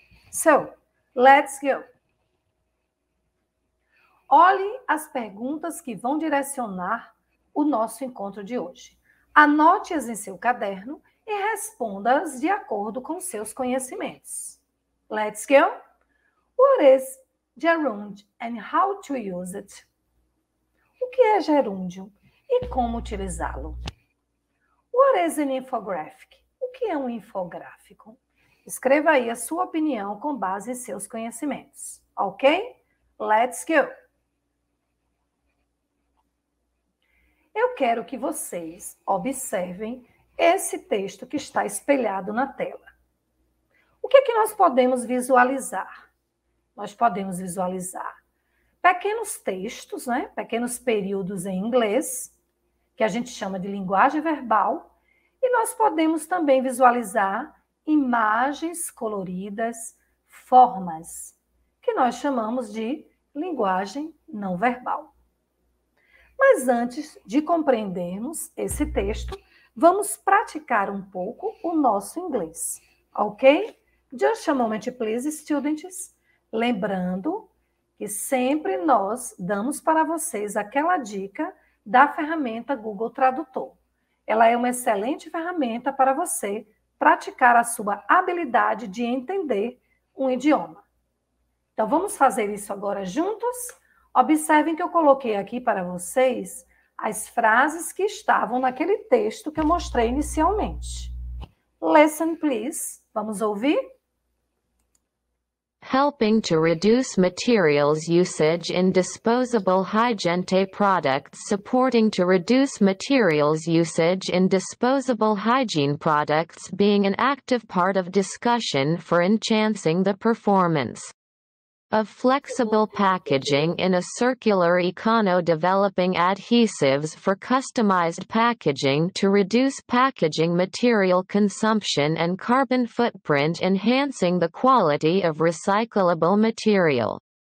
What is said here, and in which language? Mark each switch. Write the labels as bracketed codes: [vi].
[en] So, let's go! [pt] Olhe as perguntas que vão direcionar o nosso encontro de hoje. Anote-as em seu caderno e responda-as de acordo com seus conhecimentos. [en] Let's go. What is gerund and how to use it? [pt] O que é gerúndio e como utilizá-lo? [en] What is an infographic? [pt] O que é um infográfico? Escreva aí a sua opinião com base em seus conhecimentos, ok? [en] Let's go. [pt] Eu quero que vocês observem esse texto que está espelhado na tela. O que é que nós podemos visualizar? Nós podemos visualizar pequenos textos, né? Pequenos períodos em inglês, que a gente chama de linguagem verbal, e nós podemos também visualizar imagens coloridas, formas, que nós chamamos de linguagem não verbal. Mas antes de compreendermos esse texto, vamos praticar um pouco o nosso inglês, ok? [en] Just a moment, please, students. [pt] Lembrando que sempre nós damos para vocês aquela dica da ferramenta Google Tradutor. Ela é uma excelente ferramenta para você praticar a sua habilidade de entender um idioma. Então, vamos fazer isso agora juntos? Observem que eu coloquei aqui para vocês as frases que estavam naquele texto que eu mostrei inicialmente. [en] Listen, please. [pt] Vamos ouvir? [en] Helping to reduce materials usage in disposable hygiene products. Supporting to reduce materials usage in disposable hygiene products being an active part of discussion for enhancing the performance of flexible packaging in a circular econo developing adhesives for customized packaging to reduce packaging material consumption and carbon footprint enhancing the quality of recyclable material.